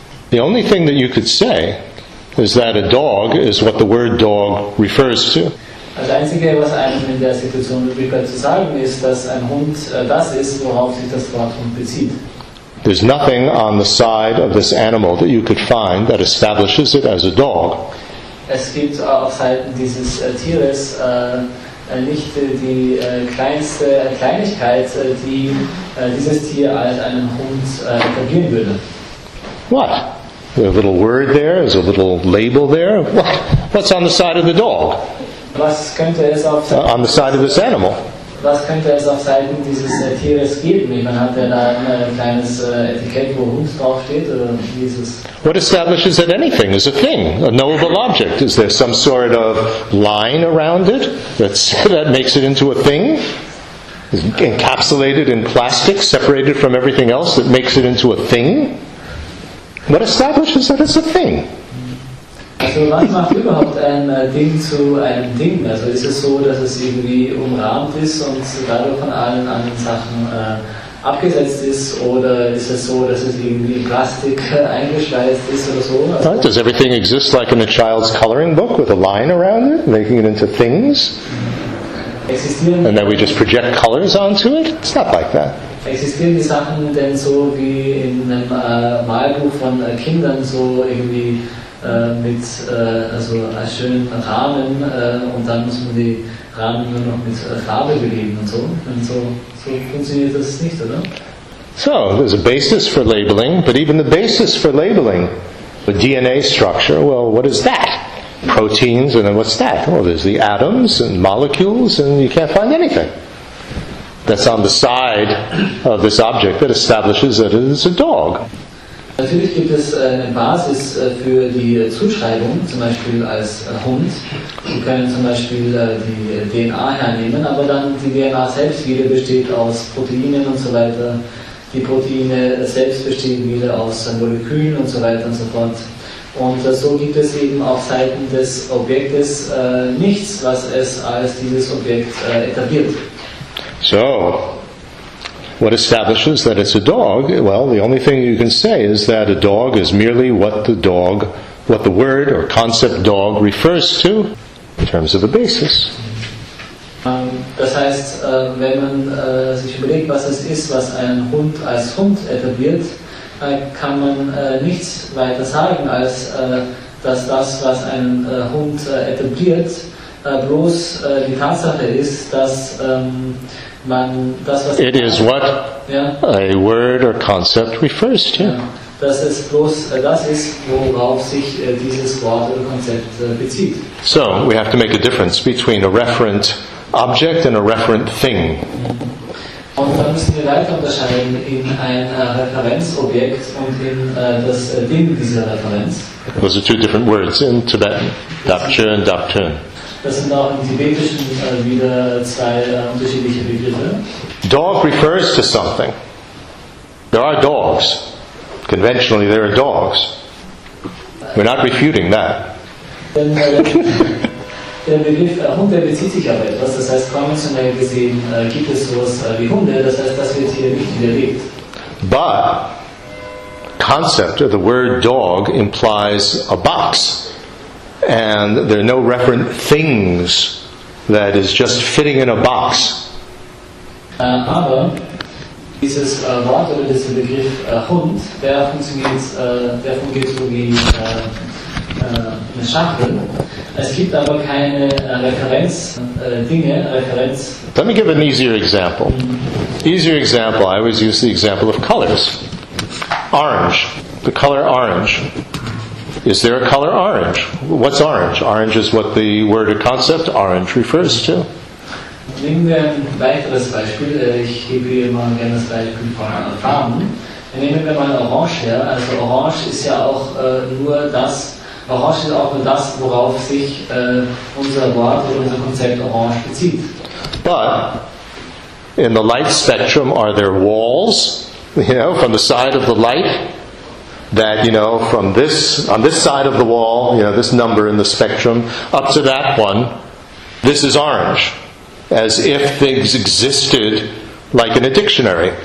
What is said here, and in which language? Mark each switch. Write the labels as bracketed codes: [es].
[en] The only thing that you could say is that a dog is what the word dog refers to. [de] Das Einzige, was einem in der Situation möglich zu sagen ist, dass ein Hund das ist, worauf sich das Wort Hund bezieht. [en] There's nothing on the side of this animal that you could find that establishes it as a dog. [de] Es gibt auf Seiten dieses Tieres nicht die kleinste Kleinigkeit, die dieses Tier als einen Hund etablieren würde. [en] What? A little word there, there's a little label there. What's on the side of the dog? [de] Was könnte es auf Seiten, [en] on the side of this animal. [de] Was könnte es auf Seiten dieses Tieres geben? Man hat ja da ein kleines Etikett, wo Hund draufsteht, oder wie ist es? [en] What establishes that anything is a thing, a knowable object? Is there some sort of line around it that makes it into a thing? Is it encapsulated in plastic, separated from everything else, that makes it into a thing? What establishes that it's a thing? [de] Also was macht überhaupt ein Ding zu einem Ding? Also ist es so, dass es irgendwie umrahmt ist und dadurch von allen anderen Sachen abgesetzt ist, oder ist es so, dass es irgendwie in Plastik eingeschweißt ist oder so? [en] Also, does everything exist like in a child's coloring book with a line around it, making it into things? [de] Existieren [en] and then we just project colors onto it? It's not like that. [de] Existieren die Sachen denn so wie in einem Malbuch von Kindern, so irgendwie mit also einem schönen Rahmen und dann muss man die Rahmen nur noch mit Farbe beleben und so? Und so funktioniert das nicht, oder? [en] So, there's a basis for labeling, but even the basis for labeling, the DNA structure, well, what is that? Proteins, and then what's that? Well, there's the atoms and molecules, and you can't find anything that's on the side of this object that establishes that it is a dog. [de] Natürlich gibt es eine Basis für die Zuschreibung, zum Beispiel als Hund. Sie können zum Beispiel die DNA hernehmen, aber dann die DNA selbst wieder besteht aus Proteinen und so weiter. Die Proteine selbst bestehen wieder aus Molekülen und so weiter und so fort. Und so gibt es eben auf Seiten des Objektes nichts, was es als dieses Objekt etabliert. [en] So, what establishes that it's a dog? Well, the only thing you can say is that a dog is merely what the word or concept dog refers to in terms of a basis. [de] Das heißt, wenn man sich überlegt, was es ist, was ein Hund als Hund etabliert, kann man nichts weiter sagen, als dass das, was ein Hund etabliert, bloß die Tatsache ist, dass man das, was [en] it is what a word or concept refers to. [de] Dass es bloß das ist, worauf sich dieses Wort oder Konzept bezieht. [en] So, we have to make a difference between a referent object and a referent thing. [de] Und dann müssen wir weiter unterscheiden in ein Referenzobjekt und in das Ding dieser Referenz. [en] Those are two different words in Tibetan. Dapchen [de] und [en] Dapchen. [de] Das sind auch im Tibetischen wieder zwei unterschiedliche Begriffe. [en] Dog refers to something. There are dogs. Conventionally there are dogs. We're not refuting that. [de] Der Begriff Hund, der bezieht sich auf etwas. Das heißt, konventionell gesehen gibt es sowas wie Hunde. Das heißt, das wird hier nicht widerlegt. [en] But concept of the word dog implies a box. And there are no referent things that is just fitting in a box. [de] Aber dieses Wort oder dieser Begriff Hund, der fungiert so wie eine Schachtel. Es gibt aber keine Referenzdinge, Referenz. [en] Let me give an easier example. Easier example, I always use the example of colors. Orange, the color orange. Is there a color orange? What's orange? Orange is what the word or concept orange refers to. [de] Nehmen wir ein weiteres Beispiel. Ich gebe hier mal gerne das Beispiel von Farben. Nehmen wir mal Orange her. Also Orange ist ja auch nur das. Orange ist auch nur das, worauf sich unser Wort oder unser Konzept Orange bezieht. [en] But in the light spectrum, are there walls? You know, from the side of the light. That, you know, from this, on this side of the wall, you know, this number in the spectrum, up to that one, this is orange. As if things existed like in a dictionary.